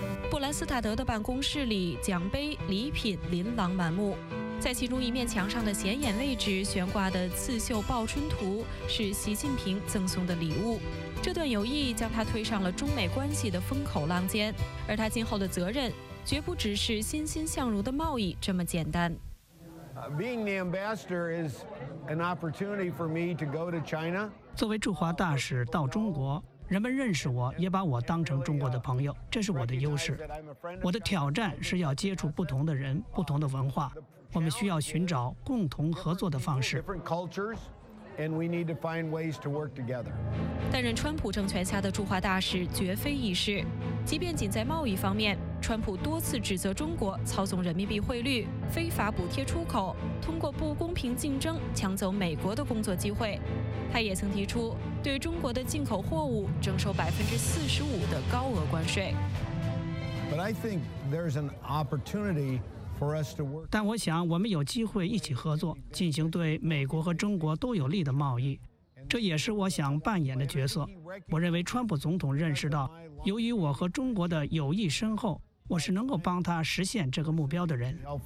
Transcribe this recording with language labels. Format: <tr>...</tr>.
<zh>布兰斯塔德的办公室里奖杯礼品琳琅满目，在其中一面墙上的显眼位置悬挂的刺绣报春图是习近平赠送的礼物，这段友谊将他推上了中美关系的风口浪尖，而他今后的责任绝不只是欣欣向荣的贸易这么简单。</zh> <en>Being the ambassador is an opportunity for me to go to China.</en> <zh>作为驻华大使到中国，人们认识我，也把我当成中国的朋友，这是我的优势。我的挑战是要接触不同的人，不同的文化，我们需要寻找共同合作的方式。</zh> <en>And we need to find ways to work together.</en> <zh>担任川普政权下的驻华大使绝非易事，即便仅在贸易方面，川普多次指责中国操纵人民币汇率、非法补贴出口、通过不公平竞争抢走美国的工作机会。他也曾提出对中国的进口货物征收45%的高额关税。</zh> <en>But I think there's an opportunity.</en> <zh>但我想我们有机会一起合作，进行对美国和中国都有利的贸易，这也是我想扮演的角色。我认为川普总统认识到，由于我和中国的友谊深厚，我是能够帮他实现这个目标的人。</zh>